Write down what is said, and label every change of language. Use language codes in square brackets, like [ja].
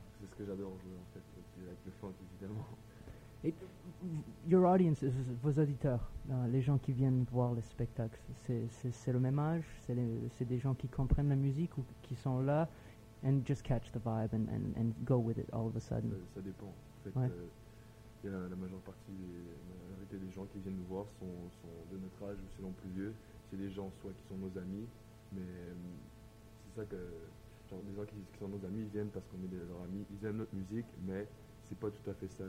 [fr] C'est ce que j'adore jouer, en fait, avec le funk, évidemment. [en] Your audience, [fr] vos auditeurs, les gens qui viennent voir les spectacles, c'est le même âge? C'est des gens qui comprennent la musique ou qui sont là? [en] And just catch the vibe and go with it all of a sudden. [fr] Ça dépend. En fait, ouais. La majeure partie, la majorité des gens qui viennent nous voir sont de notre âge ou sinon plus vieux. C'est des gens soit qui sont nos amis, mais c'est ça que. Genre, des gens qui sont nos amis, ils viennent parce qu'on est leurs amis. Ils aiment notre musique, mais c'est pas tout à fait ça.